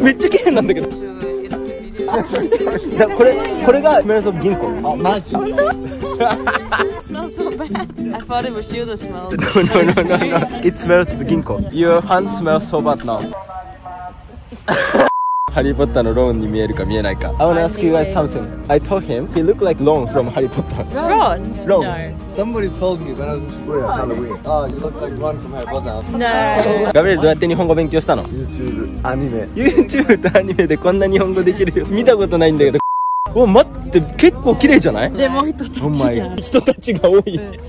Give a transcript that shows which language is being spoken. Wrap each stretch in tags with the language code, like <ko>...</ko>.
<ja>めっちゃ綺麗なんだけど。じゃあこれがスメルズ・オブ・銀行。あ、マジ？本当？</ja> <en>It smells so bad. I thought it was you that smelled. No. It smells like ginkgo. Your hand smells so bad now. Harry Potter's Ron</en> <ja>に見えるか見えないか。</ja> <en>I want to ask you guys something. I told him he looked like Ron from Harry Potter. Ron. No. Somebody told me when I was in Korea on Halloween. Oh, you look like Ron from Harry Potter. No.</en> <ja>Gabriel, どうやって日本語勉強したの？YouTube、アニメ。 YouTube とアニメでこんな日本語できるよ。見たことないんだけど。お、待って、結構綺麗じゃない？でも人たちが、人たちが多い。</ja>